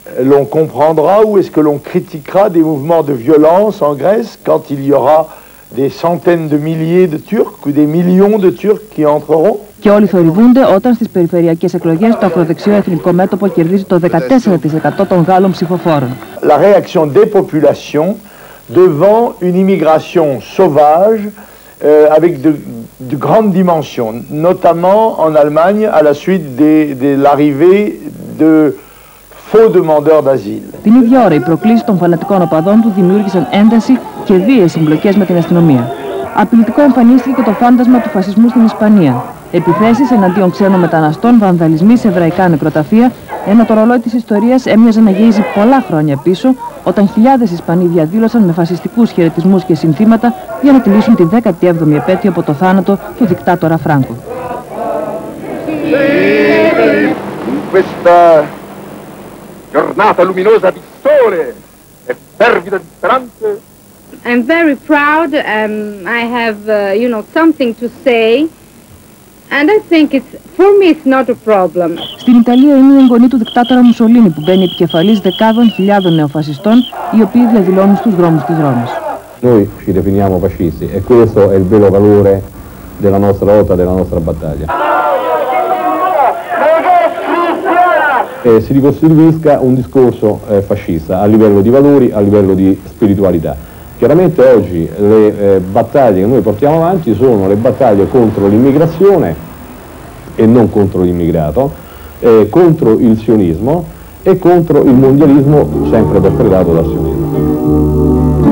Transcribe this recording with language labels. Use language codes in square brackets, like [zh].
[fr] L'on comprendra ou est-ce que l'on critiquera des mouvements de violence en Grèce quand il y aura des centaines de milliers de Turcs ou des millions de Turcs qui entreront? [el] Και όλοι θορυβούνται όταν στις περιφερειακές εκλογές το ακροδεξιό εθνικό μέτωπο κερδίζει το 14% των Γάλλων ψηφοφόρων. [fr] La réaction des populations devant une immigration sauvage avec de grandes dimensions, notamment en Allemagne à la suite de l'arrivée de faux demandeurs d'asile. [el] Την ίδια ώρα οι προκλήσεις των φανατικών οπαδών του δημιούργησαν ένταση και βίαιες συμπλοκές με την αστυνομία. Απειλητικό εμφανίστηκε και το φάντασμα του φασισμού στην Ισπανία. Επιθέσεις εναντίον ξένων μεταναστών, βανδαλισμοί σε εβραϊκά νεκροταφεία, ενώ το ρολόι της ιστορίας έμοιαζε να γυρίζει πολλά χρόνια πίσω, όταν χιλιάδες Ισπανοί διαδήλωσαν με φασιστικούς χαιρετισμούς και συνθήματα για να τιμήσουν τη 17η επέτειο από το θάνατο του δικτάτορα Φράγκο. [en] I'm very proud. I have, you know, something to say, and I think it's for me it's not a problem. [el] Στην Ιταλία είναι η εγγονή του δικτάτορα Μουσολίνη που μπαίνει επικεφαλής δεκάδων χιλιάδων νεοφασιστών, οι οποίοι διαδηλώνουν στους δρόμους της Ρώμης. [it] Noi ci definiamo fascisti e questo è il vero valore della nostra lotta, della nostra battaglia. E si ricostituisca un discorso fascista a livello di valori, a livello di spiritualità. Chiaramente oggi le battaglie che noi portiamo avanti sono le battaglie contro l'immigrazione e non contro l'immigrato, contro il sionismo e contro il mondialismo sempre perpetrato dal sionismo.